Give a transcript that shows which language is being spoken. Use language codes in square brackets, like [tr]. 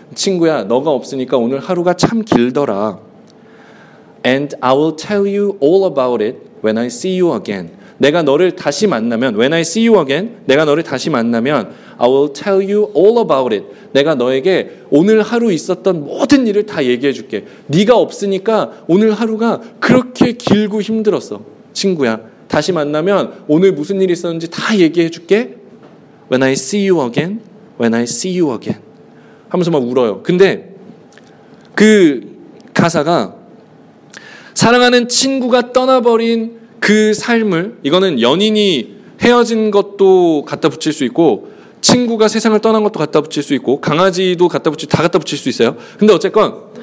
[ko] 친구야, 너가 없으니까 오늘 하루가 참 길더라. [en] And I will tell you all about it when I see you again. [ko] 내가 너를 다시 만나면, [en] when I see you again, 내가 너를 다시 만나면, I will tell you all about it. [ko] 내가 너에게 오늘 하루 있었던 모든 일을 다 얘기해 줄게. 네가 없으니까 오늘 하루가 그렇게 길고 힘들었어. 친구야, 다시 만나면 오늘 무슨 일이 있었는지 다 얘기해 줄게. [en] When I see you again, when I see you again. [ko] 하면서 막 울어요. 근데 그 가사가 사랑하는 친구가 떠나버린 그 삶을, 이거는 연인이 헤어진 것도 갖다 붙일 수 있고 친구가 세상을 떠난 것도 갖다 붙일 수 있고 강아지도 갖다 붙일 수 있어요. 근데 어쨌건